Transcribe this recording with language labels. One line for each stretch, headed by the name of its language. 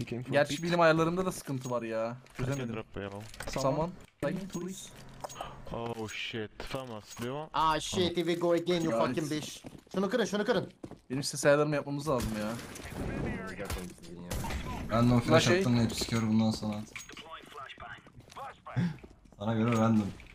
Turkish: Gerçi benim ayarlarımda da sıkıntı var ya. Çözemedim. Saman.
English: Oh shit, famous, do you want? Ah shit, if we go again, you fucking bitch.
Turkish: Şunu kırın, şunu kırın. Benim size ayarlarımı yapmamız lazım ya. Random flash attım ne, psikör bundan sonra. Sana göre random.